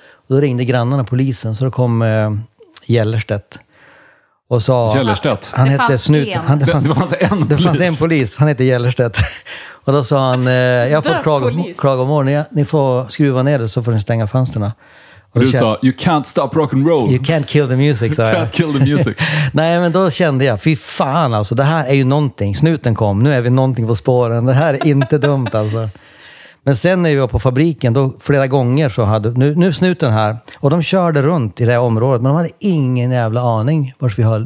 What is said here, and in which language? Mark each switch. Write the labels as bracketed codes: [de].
[sv] Och då ringde grannarna polisen, så då kom Gällerstedt. Och sa, Gällerstedt? Han hette Snut. Det fanns en polis. Han hette Gällerstedt. Och då sa han, jag får klagomål. Ni får skruva ner det, så får ni stänga fönsterna. Och du sa, [en] you can't stop rock and roll. You can't kill the music, [sv] sa jag. [en] Can't kill the music. [sv] Nej, men då kände jag, fy fan alltså, det här är ju någonting. Snuten kom, nu är vi någonting på spåren. Det här är inte dumt alltså. Men sen när vi var på fabriken, då flera gånger så hade, nu snuten här. Och de körde runt i det här området, men de hade ingen jävla aning vars vi höll.